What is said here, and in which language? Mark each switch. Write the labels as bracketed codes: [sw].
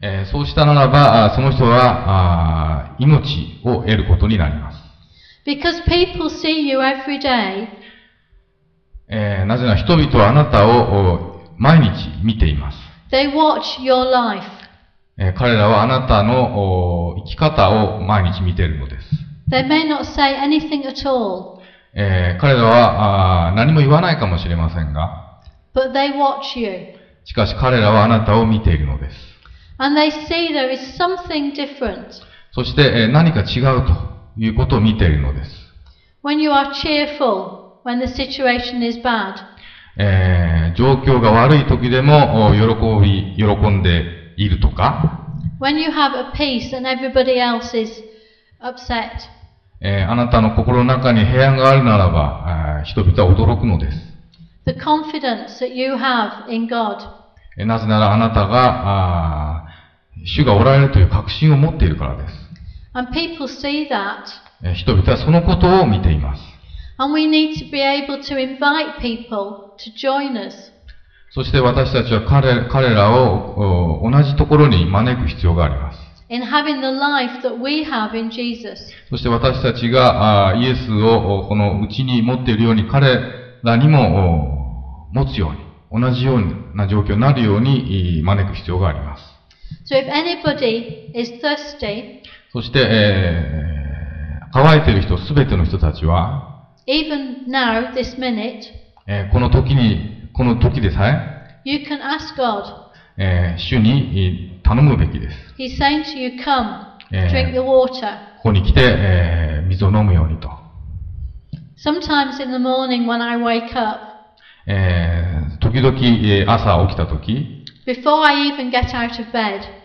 [ja] そうしたならば、その人は、命を得ることになります。 [en] Because people see you every day. [ja] なぜなら人々はあなたを毎日見ています。 [en] They watch your life. [ja] 彼らはあなたの生き方を毎日見ているのです。 [en] They may not say anything at all. [ja] 彼らは何も言わないかもしれませんが。 [en] But they watch you. [ja] しかし彼らはあなたを見ているのです。 [en] And they see there is something different. [ja] そして何か違うということを見ているのです。 [en] When you are cheerful, when the situation is bad. [ja] 状況が悪い時でも喜んでいるとか。 [en] When you have a peace and everybody else is upset. [ja] あなたの心の中に平安があるならば、人々は驚くのです。 [en] The confidence that you have in God. [ja] なぜならあなたが、主がおられるという確信を持っているからです。 [en] And people see that. [ja] 人々はそのことを見ています。 [en] And we need to be able to invite people to join us. [ja] そして私たちは彼らを同じところに招く必要があります。 [en] In having the life that we have in Jesus. [ja] そして私たちがイエスをこのうちに持っているように彼らにも持つように同じような状況になるように招く必要があります。 [en] So if anybody is thirsty, [ja] そして、乾いている人、すべての人たちは、 [en] even now, this minute, [ja] この時でさえ、 [en] you can ask God. [ja] 主に頼むべきです。 [en] He's saying to you, come, drink the water. [ja] ここに来て、水を飲むようにと。 [en] Sometimes in the morning when I wake up, [ja] 時々朝起きた時、 [en] Before I even get out of bed,